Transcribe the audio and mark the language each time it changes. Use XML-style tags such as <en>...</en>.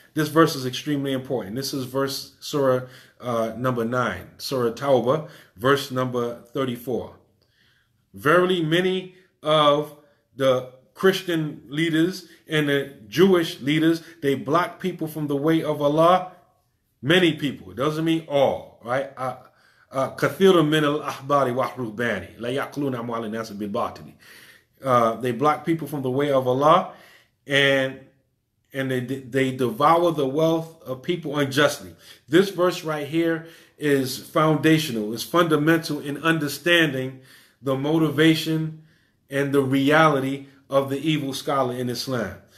<en>This verse is extremely important. This is verse Surah number 9, Surah Tawbah, verse number 34. Verily, many of the Christian leaders and the Jewish leaders, they block people from the way of Allah. Many people. It doesn't mean all, right?</en> <ar>كثير من الأحبار والرهبان لا يأكلون أموال الناس بالباطل.</ar> <en>They block people from the way of Allah. And they devour the wealth of people unjustly. This verse right here is foundational. It's fundamental in understanding the motivation and the reality of the evil scholar in Islam.</en>